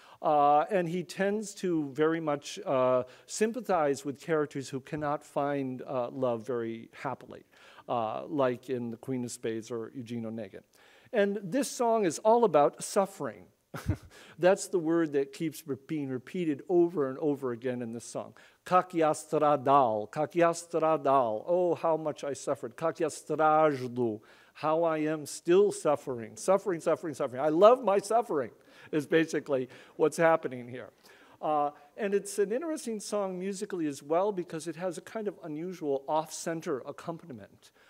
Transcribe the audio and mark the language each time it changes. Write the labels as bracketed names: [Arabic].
[English] And he tends to very much sympathize with characters who cannot find love very happily, like in The Queen of Spades or Eugene Onegin. And this song is all about suffering. That's the word that keeps being repeated over and over again in this song. [Russian] Как я страдал, как я страдал. [English] Oh, how much I suffered. [Russian] Как я страждаю, [English] how I am still suffering. Suffering, suffering, suffering. I love my suffering is basically what's happening here. And it's an interesting song musically as well because it has a kind of unusual off-center accompaniment.